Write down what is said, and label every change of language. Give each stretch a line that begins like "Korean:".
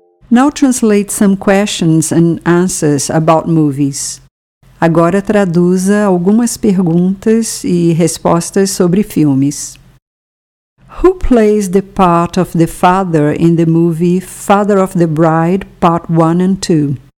English: Now translate some questions and answers about movies.
Portuguese: Agora traduza algumas perguntas e respostas sobre filmes.
English: Who plays the part of the father in the movie Father of the Bride, Part 1 and 2?